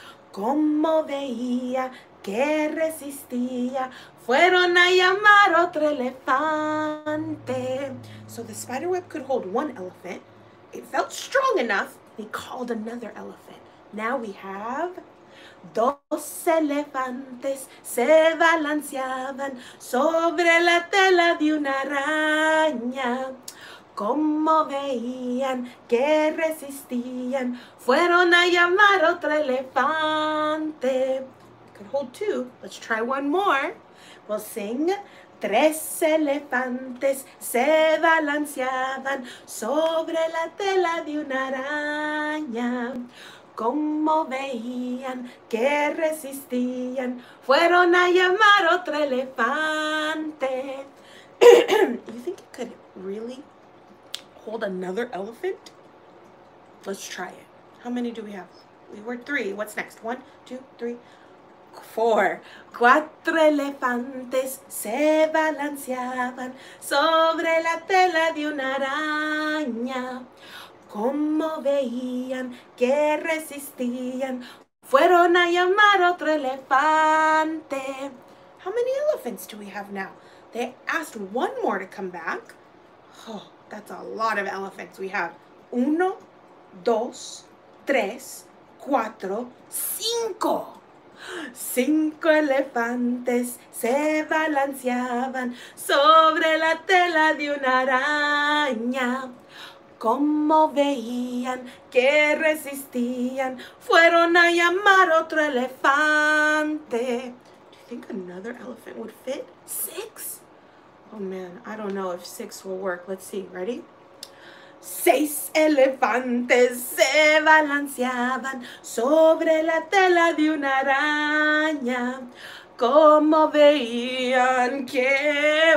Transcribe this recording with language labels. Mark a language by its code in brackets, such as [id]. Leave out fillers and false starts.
[es] Como veía que resistía, fueron a llamar otro elefante. [en] So the spider web could hold one elephant. It felt strong enough, they called another elephant. Now we have [es] dos elefantes se balanceaban sobre la tela de una araña. Como veían que resistían, fueron a llamar otro elefante. [en] Could hold two. Let's try one more. We'll sing. [es] Tres elefantes se balanceaban sobre la tela de una araña. Como veían que resistían, fueron a llamar otro elefante. [en] You think it could really hold another elephant? Let's try it. How many do we have? We were three. What's next? One, two, three, four. [es] Cuatro elefantes se balanceaban sobre la tela de una araña. Como veían que resistían, fueron a llamar otro elefante. [en] How many elephants do we have now? They asked one more to come back. Oh, that's a lot of elephants we have. [es] Uno, dos, tres, cuatro, cinco. Cinco elefantes se balanceaban sobre la tela de una araña. como veían que resistían, fueron a llamar otro elefante. [en] Do you think another elephant would fit? Six? Oh man, I don't know if six will work. Let's see, ready? [es] Seis elefantes se balanceaban sobre la tela de una araña. Como veían que,